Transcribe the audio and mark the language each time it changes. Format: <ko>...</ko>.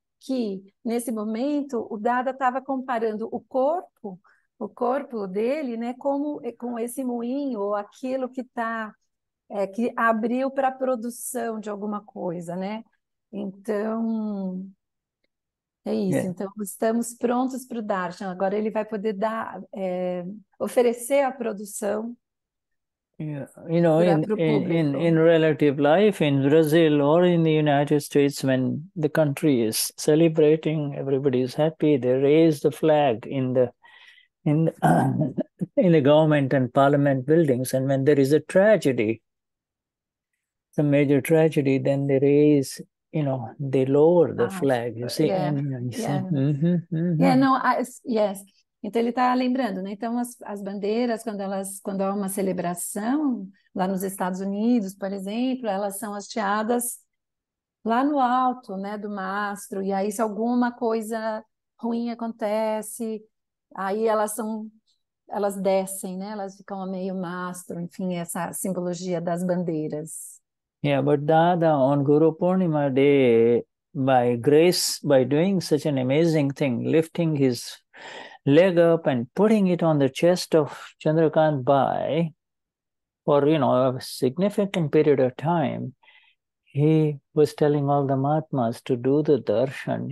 <pt>que nesse momento o Dada estava comparando o corpo dele, né, com esse moinho ou aquilo que tá, que abriu para a produção de alguma coisa, né? Então é isso. Yeah. Então estamos prontos para o darshan. Agora ele vai poder dar oferecer a produção.</pt> <en>Yeah. You know, in relative life in Brazil or in the United States, when the country is celebrating, everybody is happy, they raise the flag in the government and parliament buildings. And when there is a tragedy, some major tragedy, then they raise, you know, they lower the flag, you see. Yeah, and, you see?</en> <pt>Yes. Então, ele está lembrando, né? Então, as bandeiras, quando há uma celebração, lá nos Estados Unidos, por exemplo, elas são hasteadas lá no alto, né, do mastro. E aí, se alguma coisa ruim acontece, aí elas descem, né? Elas ficam a meio mastro, enfim, essa simbologia das bandeiras.</pt> <en>Yeah, but Dada, on Guru Purnima Day, by grace, by doing such an amazing thing, lifting his leg up and putting it on the chest of Chandrakant Bhai for, you know, a significant period of time, he was telling all the Mahatmas to do the darshan.</en>